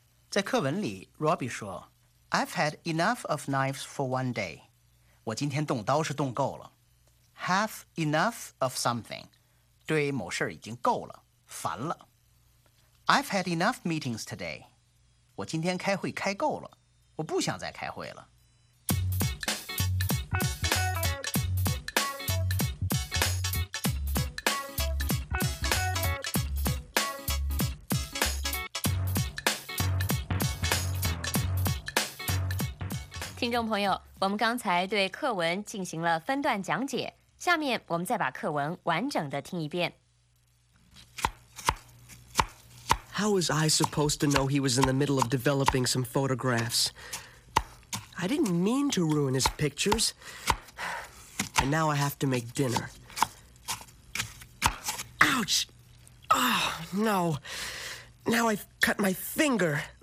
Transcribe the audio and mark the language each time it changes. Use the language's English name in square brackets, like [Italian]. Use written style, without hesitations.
[Chinese] 在课文里 [English] Robbie 说I've had enough of knives for one day. [Chinese] 我今天动刀是动够了。 [English] Have enough of something. [Chinese] 对某事已经够了，烦了。 [English] I've had enough meetings today. [Chinese] 我今天开会开够了，我不想再开会了。听众朋友，我们刚才对课文进行了分段讲解，下面我们再把课文完整的听一遍。 [English] How was I supposed to know he was in the middle of developing some photographs? I didn't mean to ruin his pictures. And now I have to make dinner. Ouch! Oh, no. Now I've cut my finger.